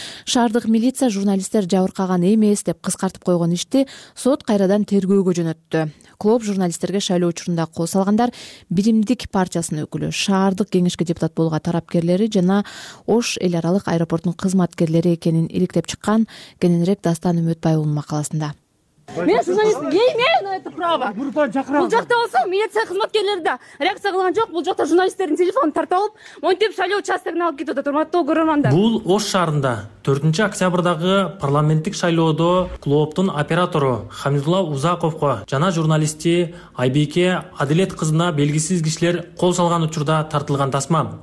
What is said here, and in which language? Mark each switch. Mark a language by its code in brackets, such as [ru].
[ky] Шаардык милиция журналисттер жабыркаган эмес деп кыскартып койгон ишти сот кайрадан тергөөгө жөнөттү. Клуб журналисттерге шайлоо учурунда кол салгандар биримдик партиясынын өкүлү, шаардык кеңешке депутат болууга тарапкерлери жана Ош эл аралык аэропорттун кызматкерлери экенин иликтеп чыккан. Кененирээк Дастан Үмөтбайовун макаласында. [ru] Мен журналист не имею на это право? [ky] Бул жакта болсо милиция кызматкерлери да реакция кылган жок. Бул жакта журналисттердин телефонун тартып алып, монтип шайлоо участогуна алып кетип атат. Урматтуу көрөрмандар, бул Ош шаарында 4 октябрдагы парламенттик шайлоодо клубтун оператору Хамидулла Узаковго жана журналисти Айбике Адилет кызына белгисиз кишилер кол салган учурда тартылган тасма.